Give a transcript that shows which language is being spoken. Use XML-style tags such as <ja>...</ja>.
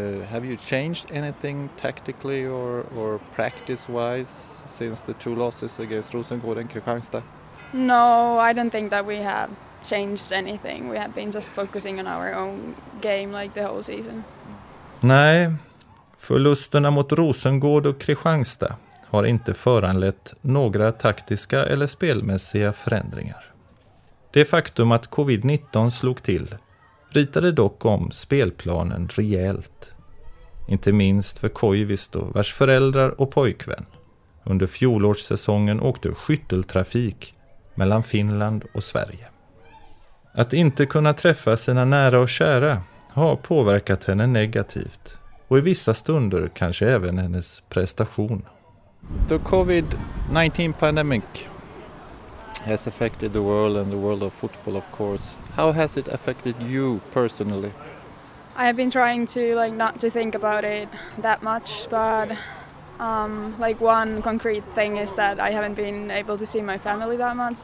<en>Have you changed anything tactically or practice-wise since the 2 losses against Rosengård and Kristianstad? No, I don't think that we have changed anything. We have been just focusing on our own game like the whole season.</en> <sv>Nej, förlusterna mot Rosengård och Kristianstad har inte föranlett några taktiska eller spelmässiga förändringar. Det faktum att covid-19 slog till ritade dock om spelplanen rejält. Inte minst för Koivisto, vars föräldrar och pojkvän. Under fjolårssäsongen åkte skytteltrafik mellan Finland och Sverige. Att inte kunna träffa sina nära och kära har påverkat henne negativt. Och i vissa stunder kanske även hennes prestation.</sv> <en>The COVID-19 pandemic has affected the world and the world of football, of course. How has it affected you personally? I have been trying to like not to think about it that much, but like one concrete thing is that I haven't been able to see my family that much.</en>